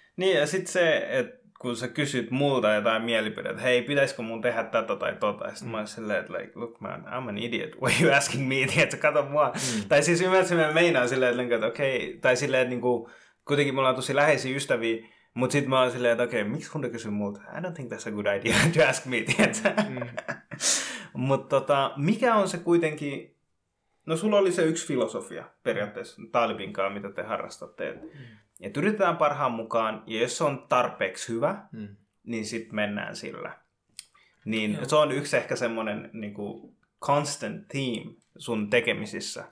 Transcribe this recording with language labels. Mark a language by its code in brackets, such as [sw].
[fi] Niin, ja sitten se, että kun sä kysyt multa jotain mielipide, että hei, pitäisikö mun tehdä tätä tai tota, sitten mä oon silleen, että [en] like, look man, I'm an idiot, why are you asking me, [fi] että kato mua. Tai siis ymmärsin, että meinaan silleen, että okei, tai silleen, että niinku, kuitenkin mulla on tosi läheisiä ystäviä, mutta sitten mä oon silleen, että okei, miksi Hunde kysyy multa? [en] I don't think that's a good idea to ask me, [fi] tiedätkö? Mutta mikä on se kuitenkin. No sulla oli se yksi filosofia periaatteessa Talibin kanssa, mitä te harrastatte. Et yritetään parhaan mukaan, ja jos se on tarpeeksi hyvä, niin sitten mennään sillä. Niin se on yksi ehkä semmoinen niinku [en] constant theme [fi] sun tekemisissä.